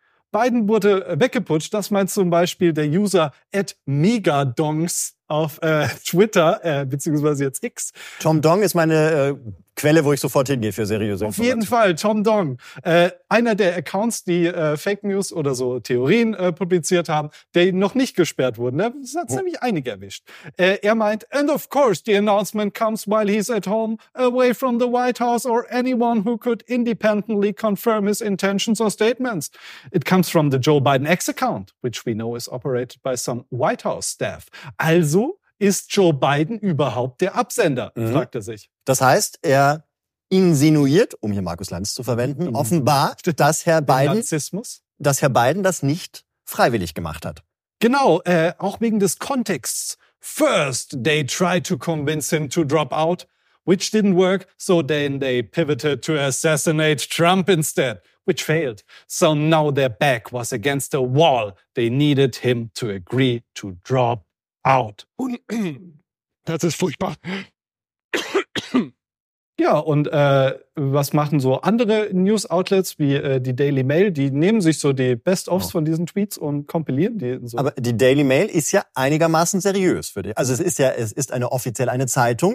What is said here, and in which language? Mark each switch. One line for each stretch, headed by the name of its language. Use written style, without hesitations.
German: Biden wurde weggeputscht, das meint zum Beispiel der User @megadongs auf Twitter, beziehungsweise jetzt X. Tom Dong ist meine Quelle, wo ich sofort hingehe für seriöse Informationen. Auf jeden Fall, Tom Dong. Einer der Accounts, die Fake News oder so Theorien publiziert haben, der noch nicht gesperrt wurden. Das hat nämlich einige erwischt. Er meint,
English: and of course the announcement comes while he's at home, away from the White House or anyone who could independently confirm his intentions or statements. It comes from the Joe Biden X account, which we know is operated by some White House staff.
German: Also ist Joe Biden überhaupt der Absender, fragt er sich. Das heißt, er insinuiert, um hier Markus Lanz zu verwenden, offenbar, dass Herr Biden das nicht freiwillig gemacht hat. Genau, auch wegen des Kontexts.
English: First, they tried to convince him to drop out, which didn't work, so then they pivoted to assassinate Trump instead, which failed. So now their back was against a wall. They needed him to agree to drop out.
German: Das ist furchtbar. Ja, und was machen so andere News-Outlets wie die Daily Mail? Die nehmen sich so die Best-ofs von diesen Tweets und kompilieren die. So. Aber die Daily Mail ist ja einigermaßen seriös für dich. Also es ist eine offizielle Zeitung.